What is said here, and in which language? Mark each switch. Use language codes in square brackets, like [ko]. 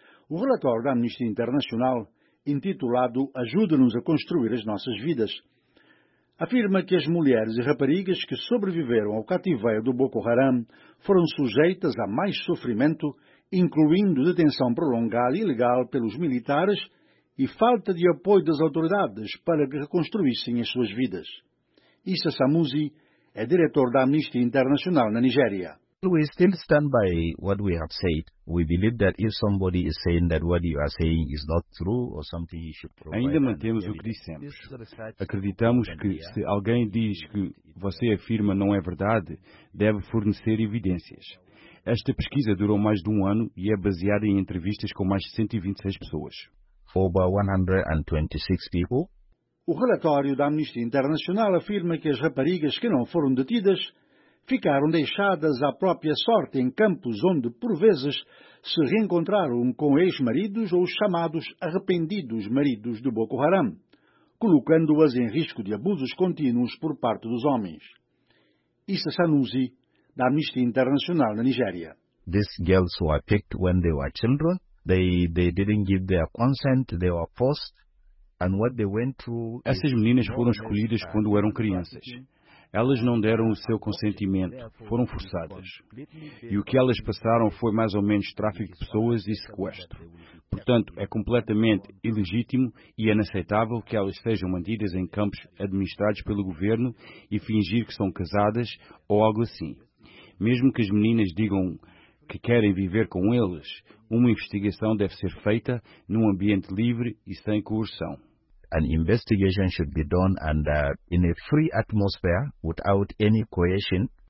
[pt] O relatório da Amnistia Internacional, intitulado Ajuda-nos a construir as nossas vidas, afirma que as mulheres e raparigas que sobreviveram ao cativeiro do Boko Haram foram sujeitas a mais sofrimento, incluindo detenção prolongada e ilegal pelos militares e falta de apoio das autoridades para que reconstruíssem as suas vidas. Issa Samuzi é diretor da Amnistia Internacional na Nigéria. [en] We still stand by what we have said. We believe that if somebody is saying that what you are saying is not true or something you should provide. [pt] Ainda mantemos o que dissemos. Acreditamos que se alguém diz que você afirma não é verdade, deve fornecer evidências. Esta pesquisa durou mais de um ano e é baseada em entrevistas com mais de 126 pessoas. [en] Over 126 people. [pt] O relatório da Amnistia Internacional afirma que as raparigas que não foram detidas ficaram deixadas à própria sorte em campos onde, por vezes, se reencontraram com ex-maridos ou chamados arrependidos maridos de Boko Haram, colocando-as em risco de abusos contínuos por parte dos homens. Issa Sanusi, da Amnistia Internacional na Nigéria. [en] These girls were picked when they were children. They didn't give their consent, they were forced. And what they went through. [pt] Essas meninas foram escolhidas quando eram crianças. Elas não deram o seu consentimento, foram forçadas. E o que elas passaram foi mais ou menos tráfico de pessoas e sequestro. Portanto, é completamente ilegítimo e inaceitável que elas sejam mantidas em campos administrados pelo governo e fingir que são casadas ou algo assim. Mesmo que as meninas digam que querem viver com eles, uma investigação deve ser feita num ambiente livre e sem coerção. [en] An investigation should be done and in a free atmosphere without any coercion.